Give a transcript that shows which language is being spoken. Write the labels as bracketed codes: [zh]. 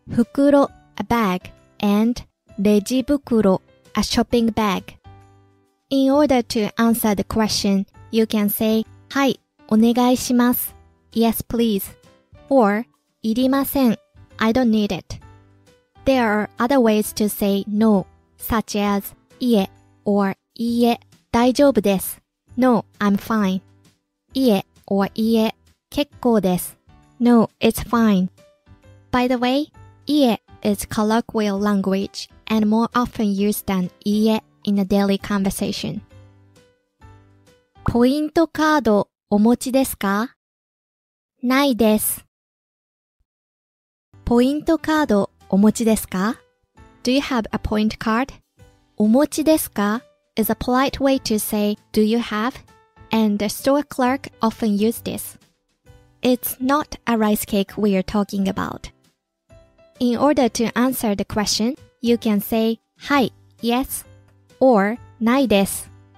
[en] 袋, a bag, and レジ袋, a shopping bag. In order to answer the question, you can say [ja] はい、お願いします [en] Yes, please. [ja] Or いりません [en] I don't need it. There are other ways to say no, such as [ja] いえ or いいえ大丈夫です [en] No, I'm fine. [ja] いえ or いいえ結構です [en] No, it's fine. By the way, いいえ is colloquial language and more often used than いいえ in a daily conversation. [ja] ポイントカードお持ちですか? ないです。ポイントカードお持ちですか? [en] Do you have a point card? [ja] お持ちですか? [en] is a polite way to say do you have? And the store clerk often use this. It's not a rice cake we are talking about. In order to answer the question, you can say, [ja] はい、 [en] yes, or [ja] ないです。